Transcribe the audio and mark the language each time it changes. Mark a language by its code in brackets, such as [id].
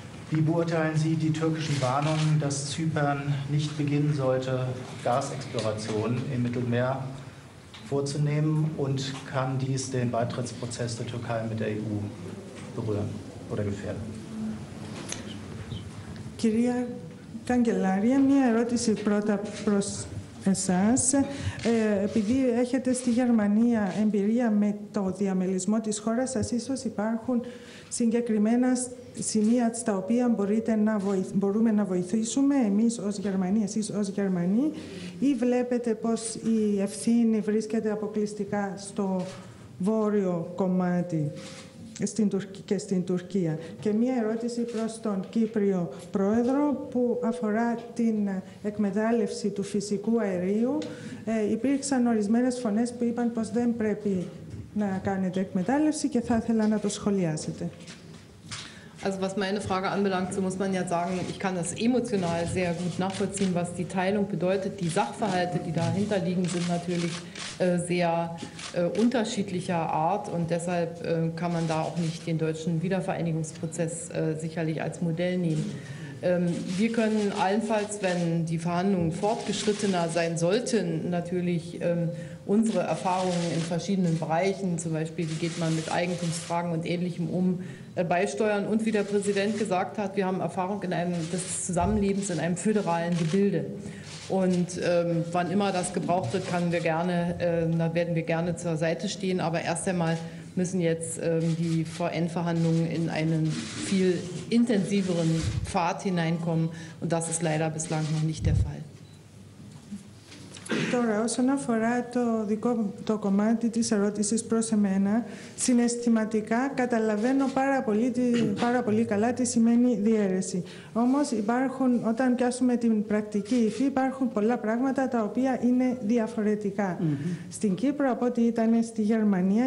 [de] Wie beurteilen Sie die türkischen Warnungen, dass Zypern nicht beginnen sollte, Gasexplorationen im Mittelmeer vorzunehmen und kann dies den Beitrittsprozess der Türkei mit der EU berühren oder gefährden? [el] Κυρία Καγκελάρια, μια ερώτηση πρώτα προς εσάς. Επειδή έχετε στη Γερμανία εμπειρία με το διαμελισμό της χώρας σας, ίσως υπάρχουν συγκεκριμένα σημεία στα οποία μπορούμε να βοηθήσουμε εμείς ως Γερμανοί, εσείς ως Γερμανοί, ή βλέπετε πως η ευθύνη βρίσκεται αποκλειστικά στο βόρειο κομμάτι και στην Τουρκία. Και μία ερώτηση προς τον Κύπριο Πρόεδρο που αφορά την εκμετάλλευση του φυσικού αερίου. Υπήρξαν ορισμένες φωνές που είπαν πως δεν πρέπει να κάνετε εκμετάλλευση και θα ήθελα να το σχολιάσετε. [de] Also was meine Frage anbelangt, so muss man ja sagen, ich kann das emotional sehr gut nachvollziehen, was die Teilung bedeutet. Die Sachverhalte, die dahinter liegen, sind natürlich sehr unterschiedlicher Art. Und deshalb kann man da auch nicht den deutschen Wiedervereinigungsprozess sicherlich als Modell nehmen. Wir können allenfalls, wenn die Verhandlungen fortgeschrittener sein sollten, natürlich unsere Erfahrungen in verschiedenen Bereichen, zum Beispiel wie geht man mit Eigentumsfragen und Ähnlichem um, beisteuern. Und wie der Präsident gesagt hat, wir haben Erfahrung in einem, des Zusammenlebens in einem föderalen Gebilde. Und wann immer das gebraucht wird, werden wir gerne zur Seite stehen. Aber erst einmal müssen jetzt die VN-Verhandlungen in einen viel intensiveren Pfad hineinkommen. Und das ist leider bislang noch nicht der Fall. [el] Τώρα, όσον αφορά το δικό το κομμάτι της ερώτησης προς εμένα, συναισθηματικά καταλαβαίνω πάρα πολύ καλά τι σημαίνει διαίρεση. Όμως, υπάρχουν, όταν πιάσουμε την πρακτική υφή, υπάρχουν πολλά πράγματα τα οποία είναι διαφορετικά στην Κύπρο από ό,τι ήταν στη Γερμανία.